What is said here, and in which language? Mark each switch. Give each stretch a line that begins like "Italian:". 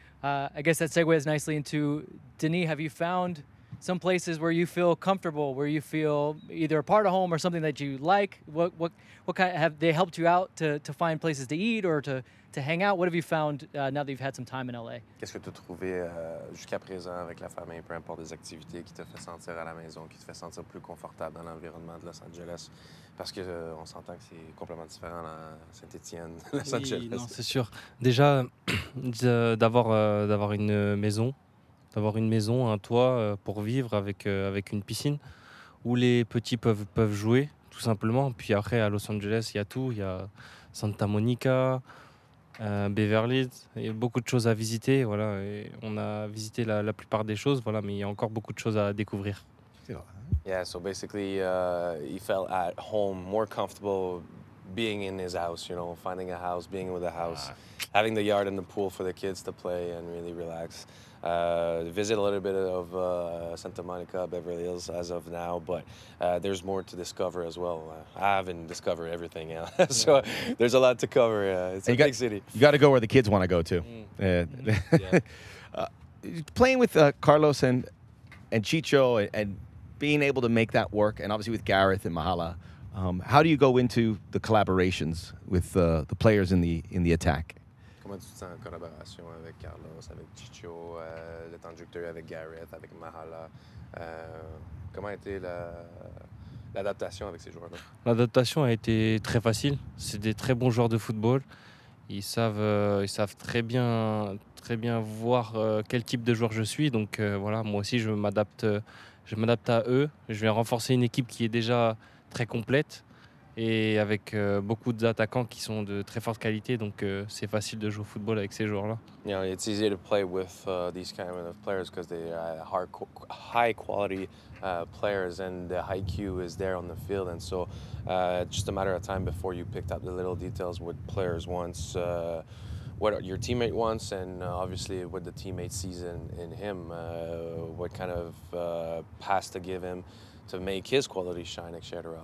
English: I guess that segues nicely into Denis. Have you found some places where you feel comfortable, where you feel either a part of home or something that you like? What kind of, have they helped you out to find places to eat or to hang out? What have you found now that you've had some time in LA?
French: Qu'est-ce que tu as trouvé jusqu'à présent avec la famille, peu importe les activités qui te fait sentir à la maison, qui te fait sentir plus confortable dans l'environnement de Los Angeles? Parce que on s'entend que c'est complètement différent à Saint-Étienne, Los Angeles. Oui, non, c'est sûr. Déjà d'avoir une maison. D'avoir une maison, un toit pour vivre avec une piscine où les petits peuvent jouer, tout simplement. Puis après, à Los Angeles, il y a tout. Il y a Santa Monica, Beverly. Il y a beaucoup de choses à visiter. Voilà. Et on a visité la plupart des choses, voilà, mais il y a encore beaucoup de choses à découvrir.
English: Yeah, so basically, he felt at home, more comfortable being in his house, you know, finding a house, being with a house, having the yard and the pool for the kids to play and really relax. Visit a little bit of Santa Monica, Beverly Hills as of now, but there's more to discover as well. I haven't discovered everything yet, so there's a lot to cover. It's and a big city. You got to go where the kids want to go to. playing with Carlos and Chicho and being able to make that work, and obviously with Gareth and Mahala, how do you go into the collaborations with the players in the attack?
French: Comment tu te sens en collaboration avec Carlos, avec Chicho, le temps que tu as eu avec Gareth, avec Mahala? Comment a été l'adaptation avec ces joueurs-là? L'adaptation a été très facile. C'est des très bons joueurs de football. Ils savent très bien voir quel type de joueur je suis. Donc voilà, moi aussi, je m'adapte à eux. Je viens renforcer une équipe qui est déjà très complète. Et avec beaucoup d'attaquants qui sont de très forte qualité, donc c'est facile de jouer au football avec ces joueurs-là.
English: You know, it's easy to play with these kind of players because they are high quality players and the IQ is there on the field, and so just a matter of time before you picked up the little details what players want, what your teammate wants, and obviously what the teammate sees in him, what kind of pass to give him to make his quality shine, etc.